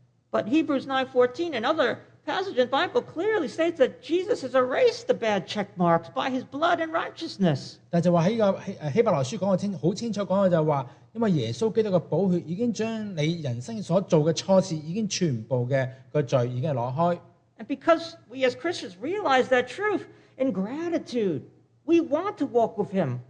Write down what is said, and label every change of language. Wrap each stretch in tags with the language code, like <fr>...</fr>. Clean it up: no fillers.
<en>But Hebrews 9:14, another passage in the Bible, clearly states that Jesus has erased the bad check marks by his blood and righteousness.</en> <zh>但是在希伯来书讲的很清楚，因为耶稣基督的宝血已经将你人生所做的错事，已经全部的罪已经拿开。</zh> <en>And because we as Christians realize that truth in gratitude, we want to walk with him.</en>